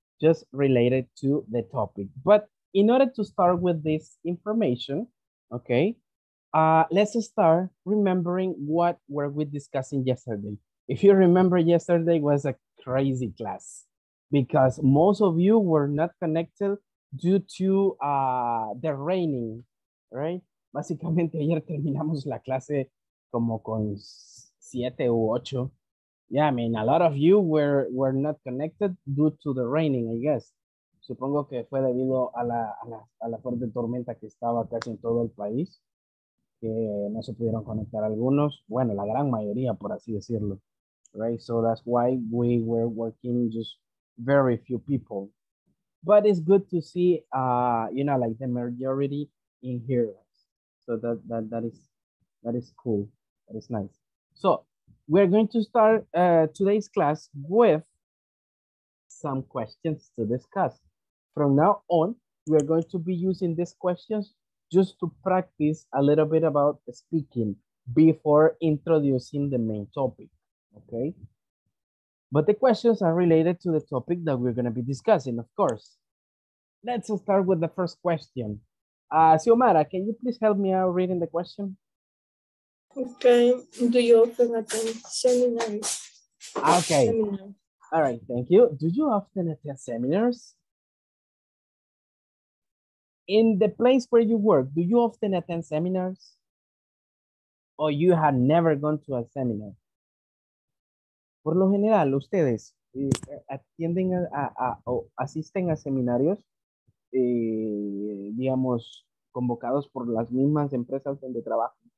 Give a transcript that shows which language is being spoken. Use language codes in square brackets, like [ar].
[en] Just related to the topic. But in order to start with this information, okay? Let's start remembering what were we discussing yesterday. If you remember, yesterday was a crazy class because most of you were not connected due to the raining, right? [es] Básicamente, ayer terminamos la clase como con 7 u 8. [en] Yeah, I mean, a lot of you were not connected due to the raining, I guess. [es] Supongo que fue debido a la fuerte tormenta que estaba casi en todo el país. Que no se pudieron conectar algunos, bueno, la gran mayoría, por así decirlo, right? [en] So that's why we were working just very few people. But it's good to see, like the majority in here. So that is cool, that is nice. So we're going to start today's class with some questions to discuss. From now on, we're going to be using these questions just to practice a little bit about speaking before introducing the main topic, okay? But the questions are related to the topic that we're gonna be discussing, of course. Let's start with the first question. Xiomara, can you please help me out reading the question? Okay, do you often attend seminars? Okay, seminars. All right, thank you. Do you often attend seminars? In the place where you work, do you often attend seminars? Or you have never gone to a seminar? [es] Por lo general, ustedes atienden o asisten a seminarios, digamos, convocados por las mismas empresas donde trabajo.